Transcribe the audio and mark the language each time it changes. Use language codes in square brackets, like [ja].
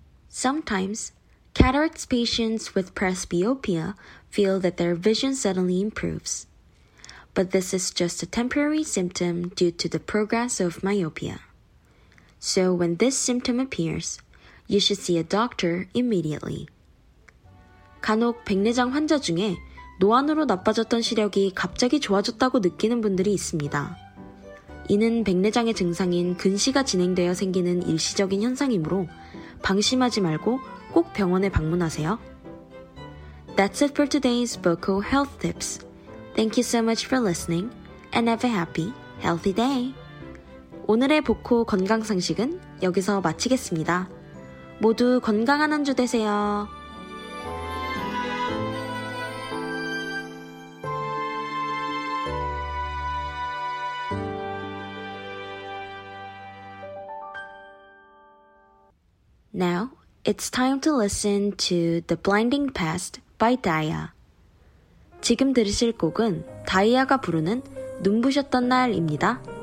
[en] Sometimes, cataracts patients with presbyopia feel that their vision suddenly improves. But this is just a temporary symptom due to the progress of myopia. So when this symptom appears, you should see a doctor immediately. [ko] 간혹 백내장 환자 중에 노안으로 나빠졌던 시력이 갑자기 좋아졌다고 느끼는 분들이 있습니다. 이는 백내장의 증상인 근시가 진행되어 생기는 일시적인 현상이므로 방심하지 말고 꼭 병원에 방문하세요. [en] That's it for today's Boko Health Tips. Thank you so much for listening and have a happy, healthy day. [ko] 오늘의 보코 건강상식은 여기서 마치겠습니다. 모두 건강한 한 주 되세요. [en] Now, it's time to listen to The Blinding Past by Daya. [ko] 지금 들으실 곡은 다이아가 부르는 눈부셨던 날입니다.